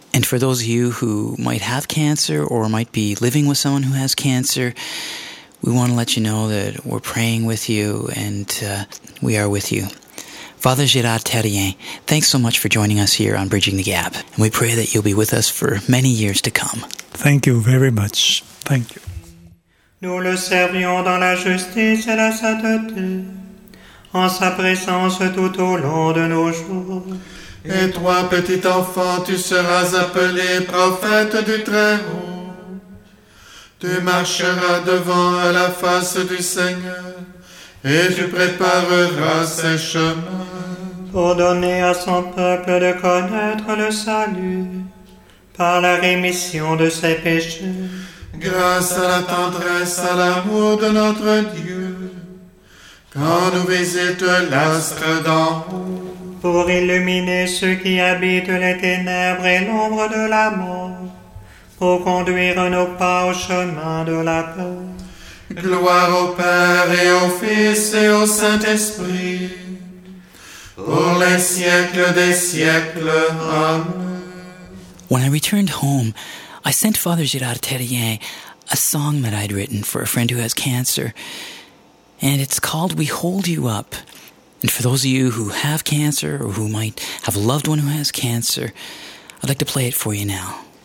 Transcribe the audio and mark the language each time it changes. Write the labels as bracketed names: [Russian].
[English] And for those of you who might have cancer or might be living with someone who has cancer, we want to let you know that we're praying with you and we are with you. Father Gérard Terrien, thanks so much for joining us here on Bridging the Gap. And we pray that you'll be with us for many years to come. Thank you very much. Thank you. [French] Nous le servions dans la justice et la sainteté, en sa présence tout au long de nos jours. Et toi, petit enfant, tu seras appelé prophète du Très-Haut. Tu marcheras devant à la face du Seigneur, et tu prépareras ses chemins. Pour donner à son peuple de connaître le salut, par la rémission de ses péchés. Grâce à la tendresse, à l'amour de notre Dieu, quand nous visite l'astre d'en haut. Pour illuminer ceux qui habitent les ténèbres et l'ombre de la mort, pour conduire nos pas au chemin de la paix. Gloire au Père et au Fils et au Saint-Esprit, pour les siècles des siècles. Amen. [English] When I returned home, I sent Father Gérard Terrien a song that I'd written for a friend who has cancer, and it's called We Hold You Up. And for those of you who have cancer or who might have a loved one who has cancer, I'd like to play it for you now.